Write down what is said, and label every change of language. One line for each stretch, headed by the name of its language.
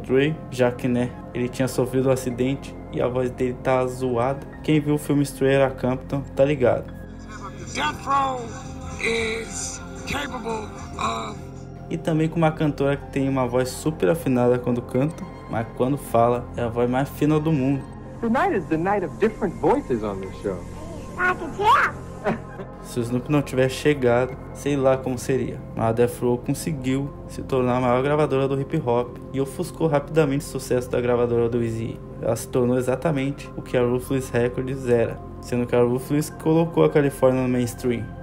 Portuguese: Dre, já que, né, ele tinha sofrido um acidente e a voz dele tá zoada. Quem viu o filme Straight Outta Compton tá ligado.
English: Death Row is capable of...
Portuguese: E também com uma cantora que tem uma voz super afinada quando canta, mas quando fala é a voz mais fina do mundo.
English: Tonight is the night of different voices on this show.
Portuguese: Se o Snoop não tivesse chegado, sei lá como seria. Mas a Death Row conseguiu se tornar a maior gravadora do hip hop e ofuscou rapidamente o sucesso da gravadora do Easy. Ela se tornou exatamente o que a Ruthless Records era, sendo que a Ruthless colocou a Califórnia no mainstream.